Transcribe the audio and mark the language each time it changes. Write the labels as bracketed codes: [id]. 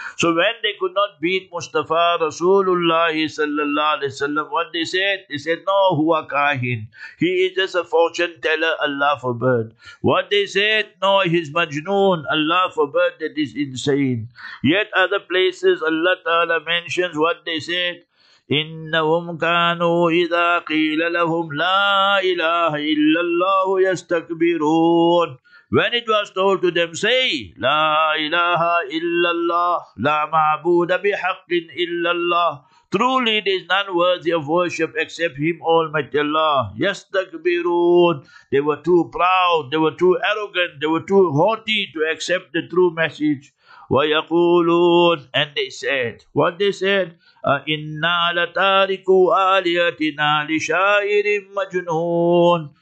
[en] So when they could not beat Mustafa Rasulullah sallallahu alaihi wasallam, what they said? They said, no, huwa kahin. He is just a fortune teller, Allah forbid. What they said? No, he's majnoon, Allah forbid, that is insane. Yet other places Allah Ta'ala mentions what they said. [ar] إنهم كانوا إذا قيل لهم لا إله إلا الله يستكبرون. [en] When it was told to them, say, [ar] لا إله إلا الله لا معبود بحق إلا الله. [en] Truly, there is none worthy of worship except Him, Almighty Allah. Yastakbirun. They were too proud, they were too arrogant, they were too haughty to accept the true message. [ar] ويقولون. [en] And they said, what they said? [ar] إِنَّا لَتَارِكُوا آلِيَتِنَا لِشَائِرٍ مَجْنُونَ.